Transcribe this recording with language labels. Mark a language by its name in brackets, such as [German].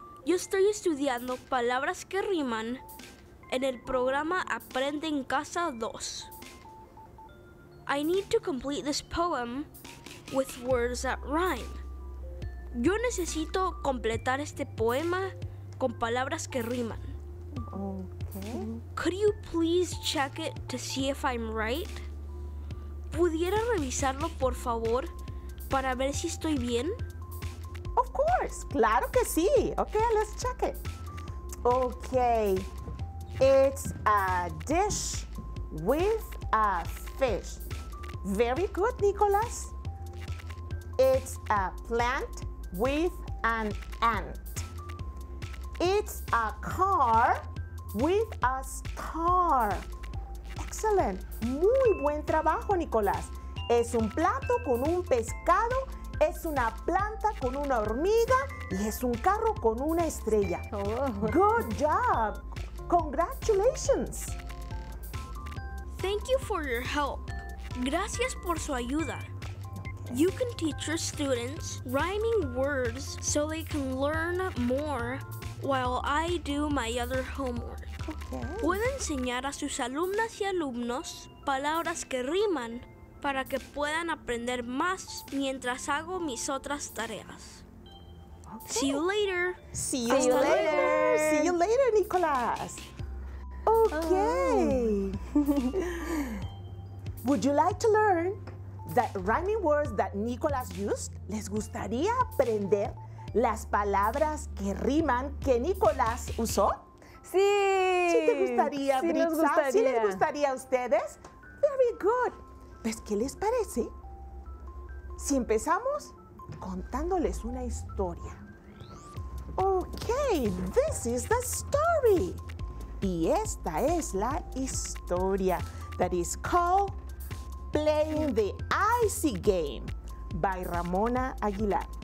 [Spanish] Yo estoy estudiando palabras que riman en el programa Aprende en Casa 2. [English] I need to complete this poem with words that rhyme. [Spanish] Yo necesito completar este poema con palabras que riman. [English] Okay. Could you please check it to see if I'm right? [Spanish] ¿Pudiera revisarlo, por favor, para ver si estoy bien? [English] Of course, [Spanish] claro que sí. [English] Okay, let's check it. Okay, it's a dish with a fish. Very good, Nicholas. It's a plant with an ant. It's a car with a star. Excellent. [Spanish] Muy buen trabajo, Nicolás. Es un plato con un pescado, es una planta con una hormiga y es un carro con una estrella. Oh. [English] Good job. Congratulations. Thank you for your help. [Spanish] Gracias por su ayuda. [English] You can teach your students rhyming words so they can learn more while I do my other homework. Okay. [Spanish] Puedo enseñar a sus alumnas y alumnos palabras que riman para que puedan aprender más mientras hago mis otras tareas. [English] Okay. See you later. See you [Spanish] Hasta [English] later. [Spanish] Luego. [English] See you later, Nicolás. Okay. Would you like to learn the rhyming words that Nicolás used? [Spanish] ¿Les gustaría aprender las palabras que riman que Nicolás usó? Sí. ¿Sí te gustaría, sí, Britza? Nos gustaría. ¿Sí les gustaría a ustedes? [English] Very good. [Spanish] Pues, ¿qué les parece si empezamos contándoles una historia? [English] Okay, this is the story. [Spanish] Y esta es la historia [English] that is called Playing the Icy Game by Ramona Aguilar.